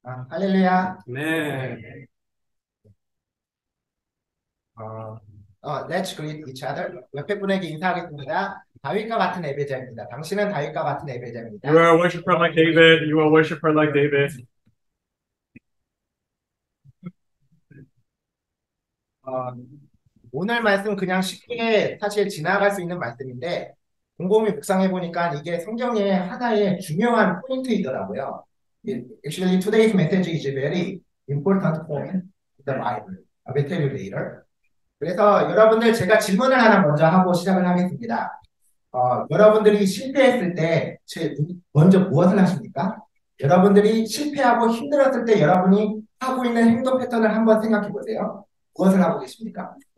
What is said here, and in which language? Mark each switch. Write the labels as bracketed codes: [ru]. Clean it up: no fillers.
[en] Hallelujah. Amen. Oh, let's greet each other. [ko] 옆에 분에게 인사하겠습니다. 다윗과 같은 예배자입니다. 당신은 다윗과 같은 예배자입니다. [en] You are a worshipper like David. You are a worshipper like David. [ko] 오늘 말씀은 그냥 쉽게 사실 지나갈 수 있는 말씀인데 곰곰이 묵상해 보니까 이게 성경의 하나의 중요한 포인트이더라고요. [en] Actually, today's message is very important point in the Bible. A better leader. [ko] 그래서 여러분들 제가 질문을 하나 먼저 하고 시작을 하겠습니다. 여러분들이 실패했을 때 먼저 무엇을 하십니까? 여러분들이 실패하고 힘들었을 때 여러분이 하고 있는 행동 패턴을 한번 생각해 보세요. 무엇을 하고 계십니까?